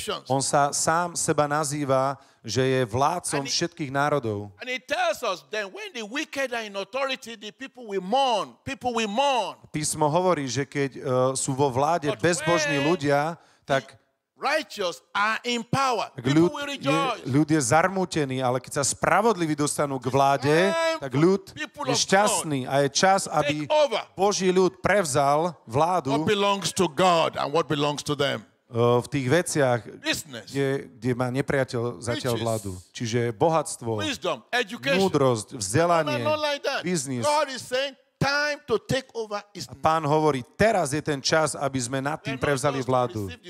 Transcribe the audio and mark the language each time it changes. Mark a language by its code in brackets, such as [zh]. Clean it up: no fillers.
[sk] On sa sám seba nazýva, že je vládcom všetkých národov. [en] And he tells us then when the wicked are in authority, the people will mourn. People will mourn. [sk] Písmo hovorí, že keď sú vo vláde bezbožní ľudia, tak [en] righteous are in power. People will rejoice. [sk] Ľud je zarmútený, ale keď sa spravodliví dostanú k vláde, tak ľud je šťastný a je čas, aby Boží ľud prevzal vládu. [en] What belongs to God and what belongs to them. [sk] V tých veciach, kde má nepriateľ zatiaľ vládu. Čiže bohatstvo, múdrosť, vzdelanie, biznis. A Pán hovorí, teraz je ten čas, aby sme nad tým prevzali vládu.